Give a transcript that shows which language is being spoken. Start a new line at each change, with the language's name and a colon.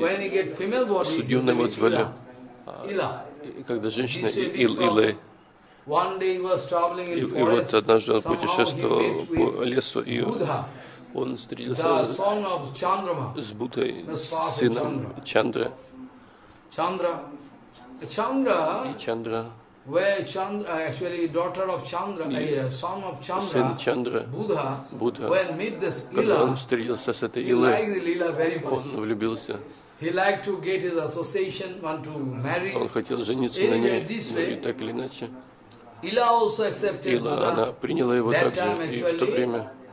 English: When he get female body, Suddhamna was Ila.
Russian: Когда женщина Ила.
English: One day he was traveling in forest.
Russian: И вот однажды он путешествовал по лесу, и он встретился с Буддой, сыном Чандры. Чандра.
English: Where Chandra, actually daughter of Chandra, son of Chandra, Buddha, when met this Ila, he liked the Ila very much. He liked to get his association, want to marry.
Russian: Он хотел жениться на ней, и так или иначе.
English: Ila also accepted Buddha.
Russian: Ила, она приняла его также, и в то время.